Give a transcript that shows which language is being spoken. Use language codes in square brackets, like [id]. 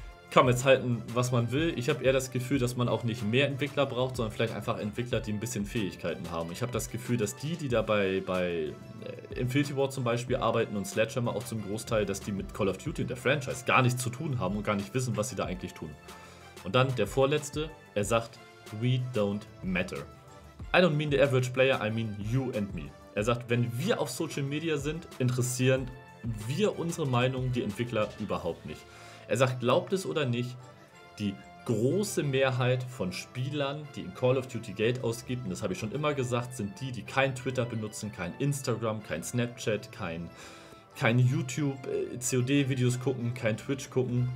[de] Kann man jetzt halten, was man will. Ich habe eher das Gefühl, dass man auch nicht mehr Entwickler braucht, sondern vielleicht einfach Entwickler, die ein bisschen Fähigkeiten haben. Ich habe das Gefühl, dass die, die dabei bei Infinity Ward zum Beispiel arbeiten und Sledgehammer auch zum Großteil, dass die mit Call of Duty und der Franchise gar nichts zu tun haben und gar nicht wissen, was sie da eigentlich tun. Und dann der Vorletzte, er sagt, [en] we don't matter. I don't mean the average player, I mean you and me. [de] Er sagt, wenn wir auf Social Media sind, interessieren wir unsere Meinung, die Entwickler, überhaupt nicht. Er sagt, glaubt es oder nicht, die große Mehrheit von Spielern, die in Call of Duty Geld ausgibt, und das habe ich schon immer gesagt, sind die, die kein Twitter benutzen, kein Instagram, kein Snapchat, kein YouTube, COD-Videos gucken, kein Twitch gucken.